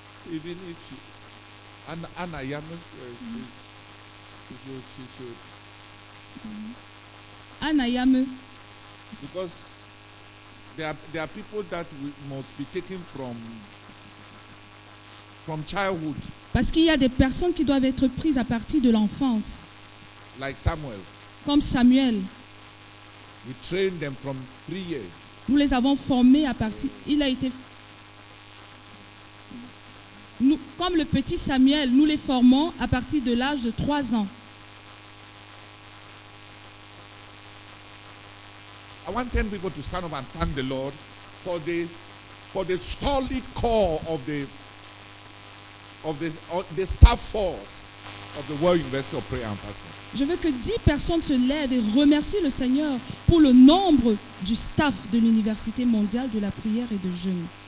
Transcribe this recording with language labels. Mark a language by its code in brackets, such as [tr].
[en] Even if she. Anna Yamus. She should. Mm-hmm. Anna Yame. Because there are people that must be taken from childhood. [fr] Parce qu'il y a des personnes qui doivent être prises à partir de l'enfance. [en] Like Samuel. [fr] Comme Samuel. [en] We train them from 3 years. [fr] Nous les avons formés à partir. Il a été. Nous, comme le petit Samuel, nous les formons à partir de l'âge de 3 ans. [en] I want 10 people to stand up and thank the Lord for the solid core of the staff force of the World University of Prayer and Fasting. [fr] Je veux que 10 personnes se lèvent et remercient le Seigneur pour le nombre du staff de l'Université mondiale de la prière et de jeûne.